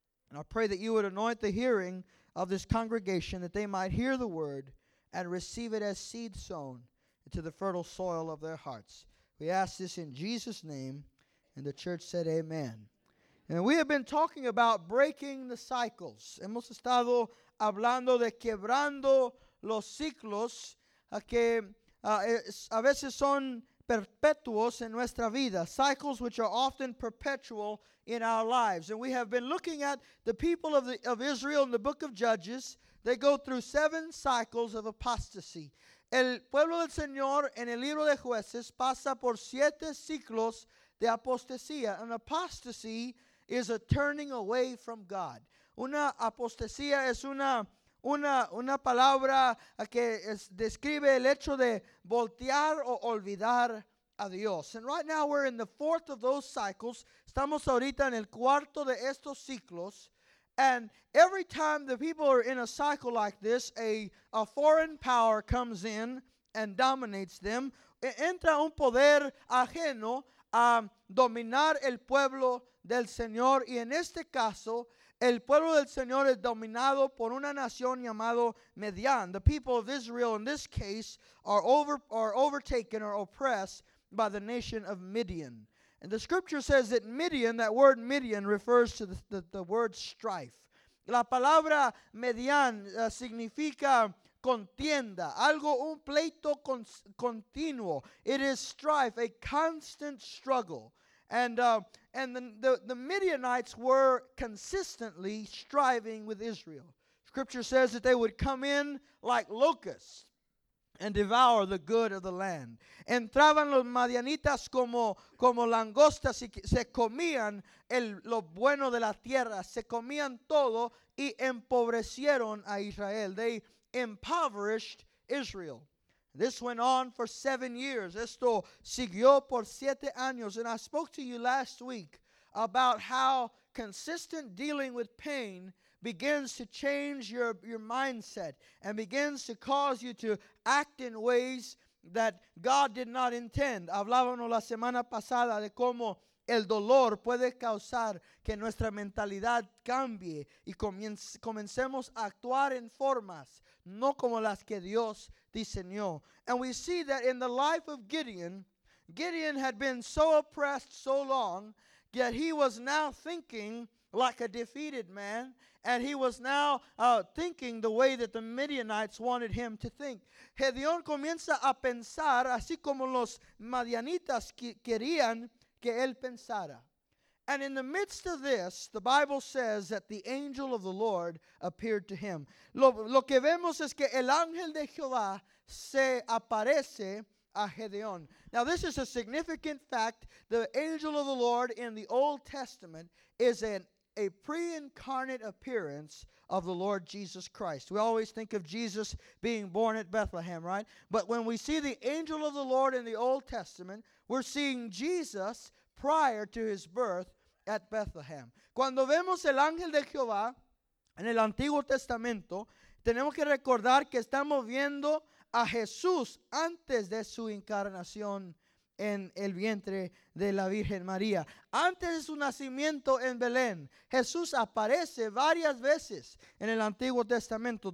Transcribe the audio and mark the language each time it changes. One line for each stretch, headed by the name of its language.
English: And I pray that you would anoint the hearing of this congregation that they might hear the word and receive it as seed sown into the fertile soil of their hearts. We ask this in Jesus' name. And the church said, amen. And we have been talking about breaking the cycles.
Spanish: Hemos estado hablando de quebrando los ciclos que a veces son perpetuos en nuestra vida.
English: Cycles which are often perpetual in our lives. And we have been looking at the people of Israel in the book of Judges. They go through seven cycles of apostasy.
Spanish: El pueblo del Señor en el libro de Jueces pasa por siete ciclos de apostasía.
English: An apostasy is a turning away from God.
Spanish: Una apostasía es una palabra que describe el hecho de voltear o olvidar a Dios.
English: And right now we're in the fourth of those cycles.
Spanish: Estamos ahorita en el cuarto de estos ciclos.
English: And every time the people are in a cycle like this, a foreign power comes in and dominates them.
Spanish: Entra un poder ajeno a dominar el pueblo del Señor, y en este caso el pueblo del Señor es dominado por una nación llamado Midian.
English: The people of Israel in this case are overtaken or oppressed by the nation of Midian. And the scripture says that Midian, that word Midian, refers to the word strife.
Spanish: La palabra Midian significa contienda, algo, un pleito continuo.
English: It is strife, a constant struggle. And the Midianites were consistently striving with Israel. Scripture says that they would come in like locusts and devour the good of the land.
Spanish: Entraban los Midianitas como langostas y se comían lo bueno de la tierra. Se comían todo y empobrecieron a Israel.
English: They impoverished Israel. This went on for 7 years.
Spanish: Esto siguió por 7 años.
English: And I spoke to you last week about how consistent dealing with pain begins to change your mindset and begins to cause you to act in ways that God did not intend.
Spanish: Hablábamos la semana pasada de cómo el dolor puede causar que nuestra mentalidad cambie y comencemos a actuar en formas no como las que Dios diseñó.
English: And we see that in the life of Gideon, Gideon had been so oppressed so long, yet he was now thinking like a defeated man, and he was now thinking the way that the Midianites wanted him to think.
Spanish: Gideon comienza a pensar así como los Madianitas querían que él pensara.
English: And in the midst of this, the Bible says that the angel of the Lord appeared to him.
Spanish: Lo que vemos es que el ángel de Jehová se aparece a Gideon.
English: Now this is a significant fact. The angel of the Lord in the Old Testament is a pre-incarnate appearance of the Lord Jesus Christ. We always think of Jesus being born at Bethlehem, right? But when we see the angel of the Lord in the Old Testament, we're seeing Jesus prior to his birth at Bethlehem.
Spanish: Cuando vemos el ángel de Jehová en el Antiguo Testamento, tenemos que recordar que estamos viendo a Jesús antes de su encarnación en el vientre de la Virgen María. Antes de su nacimiento en Belén, Jesús aparece varias veces en el Antiguo Testamento.